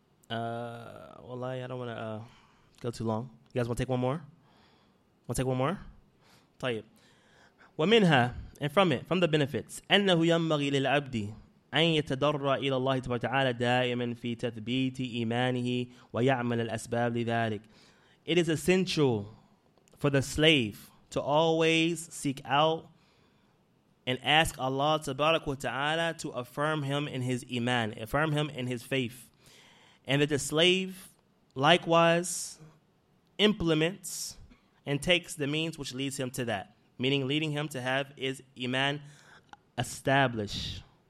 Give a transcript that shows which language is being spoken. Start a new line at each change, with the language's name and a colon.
English: والله, I don't want to go too long. You guys want to take one more? Want to take one more? طيب.
Arabic: ومنها,
English: and from it, from the benefits,
Arabic: أنه ينبغي للعبد أن يتضرع إلى الله تعالى دائما في تثبيت إيمانه ويعمل الأسباب لذلك.
English: It is essential for the slave to always seek out and ask Allah tabaraka wa ta'ala to affirm him in his iman, affirm him in his faith. And that the slave likewise implements and takes the means which leads him to that, meaning leading him to have his iman established.